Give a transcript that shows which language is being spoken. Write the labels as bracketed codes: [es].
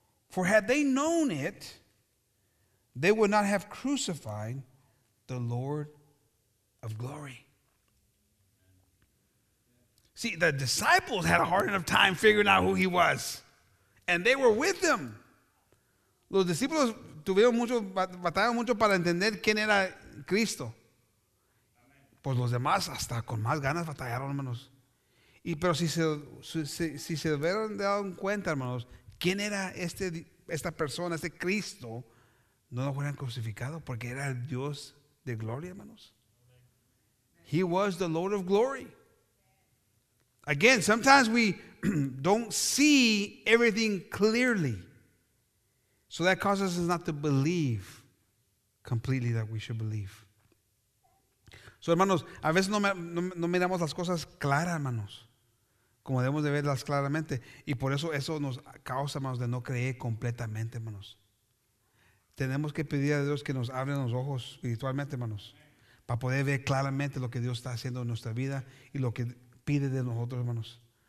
[en] For had they known it, they would not have crucified the Lord of glory. See, the disciples had a hard enough time figuring out who he was. And they were with him. [es] Los discípulos tuvieron mucho, batallaron mucho para entender quién era Cristo. Pues los demás hasta con más ganas batallaron, hermanos. Y pero si se hubieran dado cuenta, hermanos, quién era esta persona, este Cristo, no lo hubieran crucificado porque era el Dios de gloria, hermanos. [en] He was the Lord of glory. Again, sometimes we don't see everything clearly. So that causes us not to believe completely that we should believe. [es] So, hermanos, a veces no miramos las cosas claras, hermanos, como debemos de verlas claramente. Y por eso nos causa, hermanos, de no creer completamente, hermanos. Tenemos que pedir a Dios que nos abra los ojos espiritualmente, hermanos, para poder ver claramente lo que Dios está haciendo en nuestra vida y lo que pide de nosotros, hermanos.